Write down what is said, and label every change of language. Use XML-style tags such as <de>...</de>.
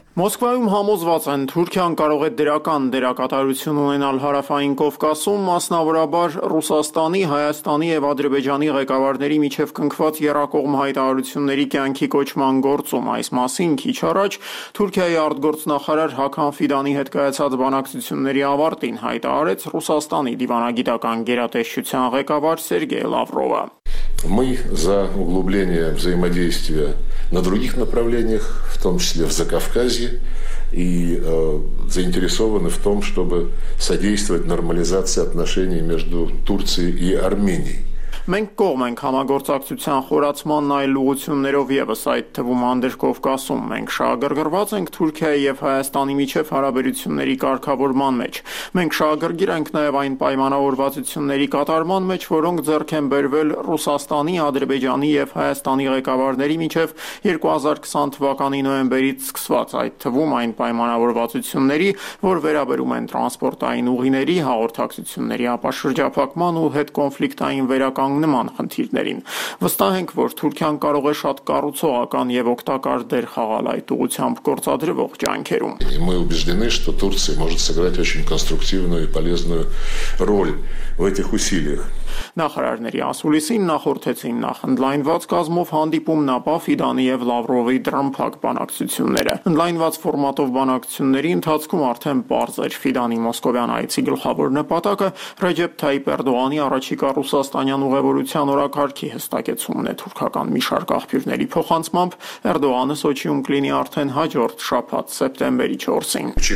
<hy>Մոսկվայում համոզված են, Թուրքիան կարող է դրական դերակատարություն ունենալ Հարավային Կովկասում, մասնավորաբար Ռուսաստանի, Հայաստանի և Ադրբեջանի ղեկավարների միջև կնքված երկկողմ հայտարարությունների կյանքի կոչման գործում։ Այս մասին քիչ առաջ Թուրքիայի արտգործնախարար Հաքան Ֆիդանի հետ կայացած բանակցությունների ավարտին հայտարարեց Ռուսաստանի դիվանագիտական գերատեսչության ղեկավար Սերգեյ Լավրովը։</hy> <ru>Мы за углубление взаимодействия на других направлениях, в том числе в Закавказье, и заинтересованы в том, чтобы содействовать нормализации отношений между Турцией и Арменией.</ru> <hy>Մենք կողմ ենք համագործակցության խորացման այլ ուղություններով եւս այդ թվում Անդերկովկասում։ Մենք շահագրգռված ենք Թուրքիայի եւ Հայաստանի միջև հարաբերությունների կարգավորման մեջ։ Մենք շահագրգիր ենք նաեւ այն պայմանավորվածությունների կատարման մեջ, որոնք ձեռք են բերվել Ռուսաստանի, Ադրբեջանի եւ Հայաստանի ղեկավարների միջև 2020 թվականի նոյեմբերից սկսված, այդ թվում այն պայմանավորվածությունների, որ վերաբերում են տրանսպորտային ուղիների, հաղորդակցությունների ապաշրջափակման ու հետկոնֆլիկտային վերակ կանգնման խնդիրներին։ Վստահ ենք, որ Թուրքիան կարող է շատ կառուցողական եւ օգտակար դեր խաղալ այդ ուղությամբ գործադրվող ջանքերում։</hy> <ru>Мы убеждены, что Турция может сыграть очень конструктивную и полезную роль в этих усилиях։</ru> <hy>Նախարարների ասուլիսին նախորդեցին նախընդլայնված կազմով հանդիպում ՆԱՊԱ, Ֆիդանի եւ Լավրովի դրամփակ բանակցությունները։ Ընդլայնված ֆորմատով բանակցությունների ընթացքում արդեն պարզ էր Ֆիդանի մոսկովյան այցի գլխավոր նպատակը՝ Ռեջեփ Թայիպ Էրդողանի առաջիկա ռուսաստանյան ուղևորության օրակարգի հստակեցումն է թուրքական միջազգ աղբյուրների փոխանցումը։ Էրդողանը Սոչիում կլինի արդեն հաջորդ շաբաթ, սեպտեմբերի 4-ին։</hy>